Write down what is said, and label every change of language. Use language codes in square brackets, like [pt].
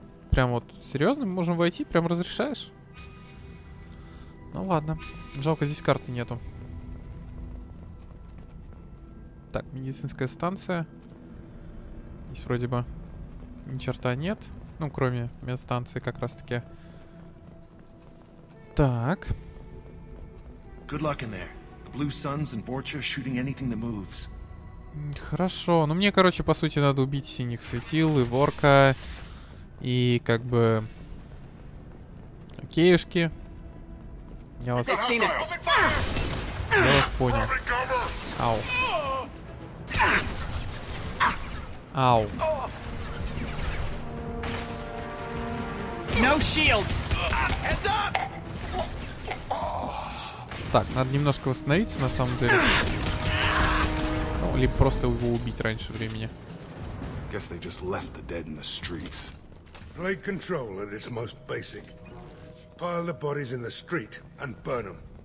[ru] Прям вот, серьезно, мы можем войти? Прям разрешаешь? Ну ладно. Жалко, здесь карты нету. Так, медицинская станция. Здесь вроде бы ни черта нет. Ну, кроме медстанции как раз-таки. [en] Так. Good luck in there. The Blue Suns and Vorcha shooting anything that moves. [ru] Хорошо. Ну, мне, короче, по сути, надо убить синих светил и Ворка. И как бы... Окейшки. Я вас понял. Ау. [en] No shields. Heads up. [ru] Так, надо немножко восстановиться, на самом деле. Ну, либо просто его убить раньше времени. [en] Guess they just left the dead in the streets. Play control at its most basic. Pile the bodies in the street and burn them.